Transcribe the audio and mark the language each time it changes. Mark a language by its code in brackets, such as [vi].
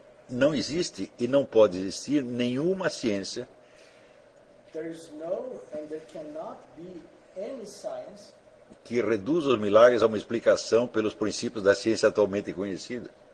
[pt] Não existe e não pode existir nenhuma ciência. [en] There is no, and there cannot be any science [pt] que reduz os milagres a uma explicação pelos princípios da ciência atualmente conhecida.